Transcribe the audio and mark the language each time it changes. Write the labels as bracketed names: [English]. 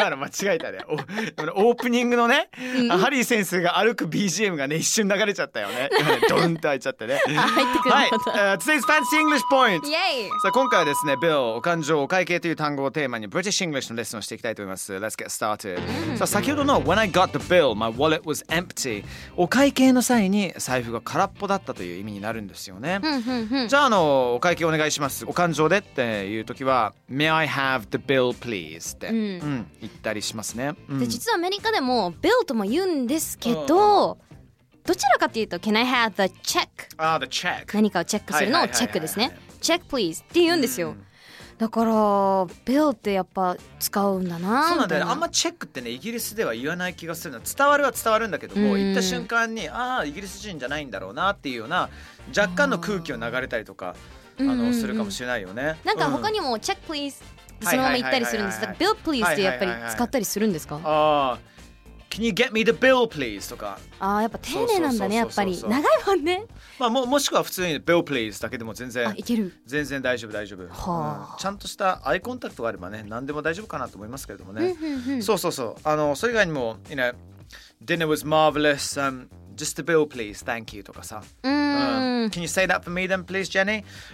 [Japanese] 今の間違えたね。オープニングのね、うん、ハリー先生が歩く BGM がね、一瞬流れちゃったよね。ドンって開いちゃってね。入ってくる。 [English] はい。Today's Fancy English Point。イエイ。 [Japanese] さあ今回はですね、ビル、お勘定、お会計という単語をテーマに British English のレッスンをしていきたいと思います。 [English] Let's get started。 [Japanese] さあ先ほどの [English] When I got the bill, my wallet was empty。 [Japanese] お会計の際に財布が空っぽだったという意味になるんですよね。じゃあお会計お願いします。お勘定でっていう時は [English] May I have the bill please [Japanese] って、うんうん、言ったりしますね、うん、で実はアメリカでも bill とも言うんですけど、どちらかというと [English] Can I have the check? Ah, the check. [Japanese] 何かをチェックするのをチェックですね。 [English] check please [Japanese] って言うんですよ、うん、だから bill ってやっぱ使うんだな。そうなんだよ、あんまチェックってね、イギリスでは言わない気がするの。伝わるは伝わるんだけども、うん、言った瞬間にああイギリス人じゃないんだろうなっていうような若干の空気を流れたりとかするかもしれないよね。なんか他にも、うん、チェックプリーズそのまま言ったりするんです。 [English] Bill please [Japanese] ってやっぱり使ったりするんですか。 [English] ああ、Can you get me the bill please とか。 [Japanese] ああ、やっぱ丁寧なんだね。やっぱり長いもんね。まあ、もしくは普通に [English] Bill please [Japanese] だけでも全然いける。全然大丈夫大丈夫、はあ、うん、ちゃんとしたアイコンタクトがあればね、何でも大丈夫かなと思いますけれどもね。そうそうそう、それ以外にも [English] You know, Dinner was marvelous、Just the bill please, thank you とかさ。 Can you say that for me then, please, Jenny?